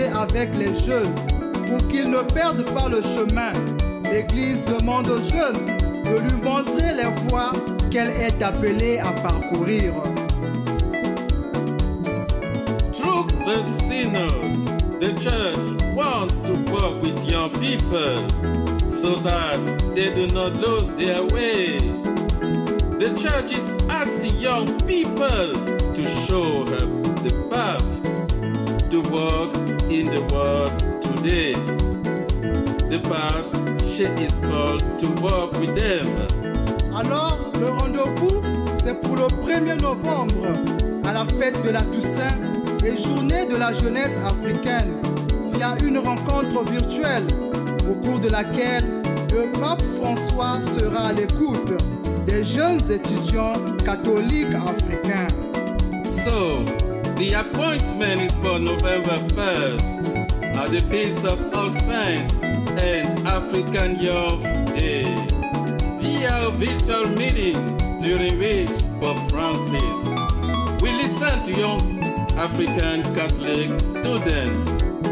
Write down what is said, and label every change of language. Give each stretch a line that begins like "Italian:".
French: Avec les jeunes, pour qu'ils ne perdent pas le chemin, l'Église demande aux jeunes de lui montrer la voie qu'elle est appelée à parcourir.
English: Through the Synod, the Church wants to work with young people so that they do not lose their way. The Church is asking young people to show her the path to work in the world today, the path she is called to walk with them.
French: Alors, le rendez-vous, c'est pour le 1er novembre, à la fête de la Toussaint et journée de la jeunesse africaine, via une rencontre virtuelle, au cours de laquelle le pape François sera à l'écoute des jeunes étudiants catholiques africains.
English: So, the appointment is for November 1st at the Feast of All Saints and African Youth Day via a virtual meeting during which Pope Francis will listen to young African Catholic students